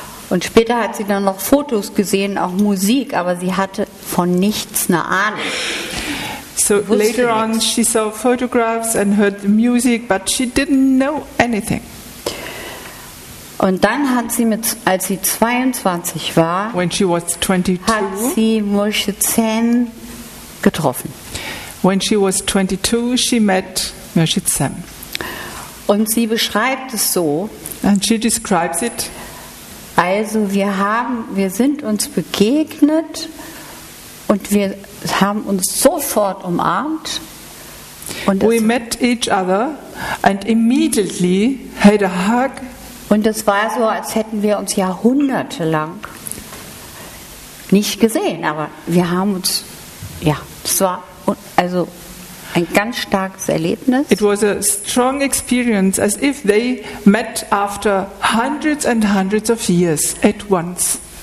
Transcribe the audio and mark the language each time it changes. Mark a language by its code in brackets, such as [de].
[de] Und später hat sie dann noch Fotos gesehen, auch Musik, aber sie hatte von nichts eine Ahnung. [en] So later on she saw photographs and heard the music, but she didn't know anything. [de] Und dann hat sie als sie 22 war, [en] when she was 22, [de] hat sie Moshe Zen getroffen. [en] When she was 22, she met Moshe Zen. [de] Und sie beschreibt es so, [en] and she describes it. [de] Also wir sind uns begegnet und wir haben uns sofort umarmt. [en] Und we met each other and immediately had a hug. [de] Und es war so, als hätten wir uns jahrhundertelang nicht gesehen, aber wir haben uns, ja, es war also ein ganz starkes Erlebnis. [en] It was a strong experience, as if they met after hundreds and hundreds of years at once.